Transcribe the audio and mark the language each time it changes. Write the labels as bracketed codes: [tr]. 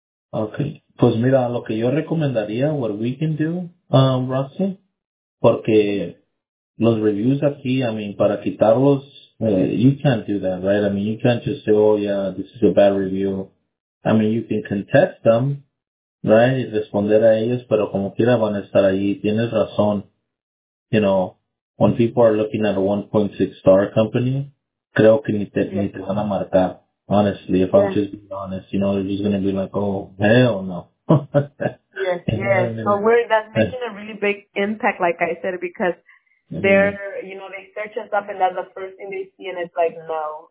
[en] Okay. [es] Pues mira, lo que yo recomendaría, [en] what we can do, Roxy, [es] porque los reviews aquí, [en] I mean, [es] para quitarlos, [en] you can't do that, right? I mean, you can't just say, oh yeah, this is a bad review. I mean, you can contest them, right? [es] Y responder a ellos, pero como quiera van a estar ahí. Tienes razón. [en] You know, when people are looking at a 1.6 star company, [es] creo que ni te van a marcar, [en] honestly, if I'm just being honest, you know, they're just going to be like, oh, hell no. Yes, yes. So that's making a really big impact, like I said, because they're, you know, they search us up and that's the first thing they see and it's like, no.